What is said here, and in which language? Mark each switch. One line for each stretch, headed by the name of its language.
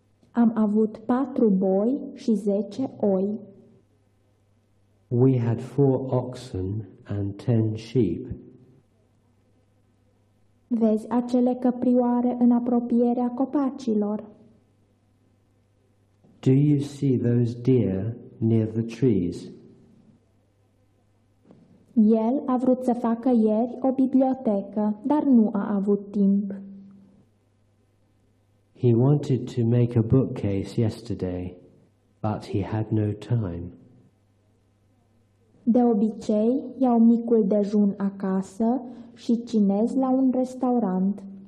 Romanian: Am avut 4 boi și 10 oi.
English: We had 4 oxen and 10 sheep.
Romanian: Vezi acele căprioare în apropierea copacilor?
English: Do you see those deer near the trees?
Romanian: El a vrut să facă ieri o bibliotecă, dar nu a avut timp.
English: He wanted to make a bookcase yesterday, but he had no time.
Romanian: De obicei, iau micul dejun acasă și cinez la un restaurant.